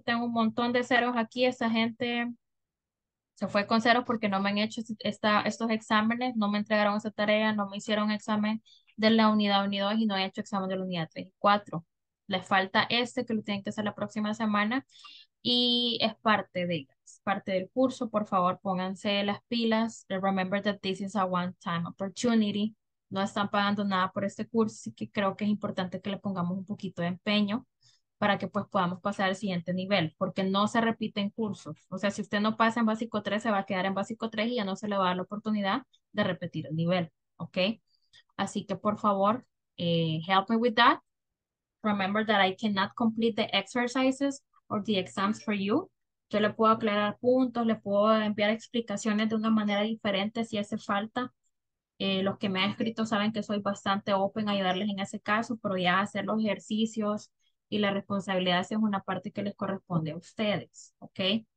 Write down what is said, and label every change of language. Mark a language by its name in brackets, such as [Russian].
[Spanish] Tengo un montón de ceros aquí, esa gente... Se fue con cero porque no me han hecho estos exámenes, no me entregaron esa tarea, no me hicieron examen de la unidad 1 y 2 y no he hecho examen de la unidad 3 y 4. Les falta este que lo tienen que hacer la próxima semana y es parte de ellas, parte del curso. Por favor, pónganse las pilas. [English] Remember that this is a one-time opportunity. [Spanish] No están pagando nada por este curso, así que creo que es importante que le pongamos un poquito de empeño. para que pues podamos pasar al siguiente nivel, porque no se repiten cursos. O sea, si usted no pasa en básico 3, se va a quedar en básico 3 y ya no se le va a dar la oportunidad de repetir el nivel, ¿ok? Así que por favor, [English] help me with that. Remember that I cannot complete the exercises or the exams for you. [Spanish] Yo le puedo aclarar puntos, le puedo enviar explicaciones de una manera diferente si hace falta. Los que me han escrito saben que soy bastante open a ayudarles en ese caso, pero ya hacer los ejercicios y la responsabilidad es una parte que les corresponde a ustedes, ¿ok?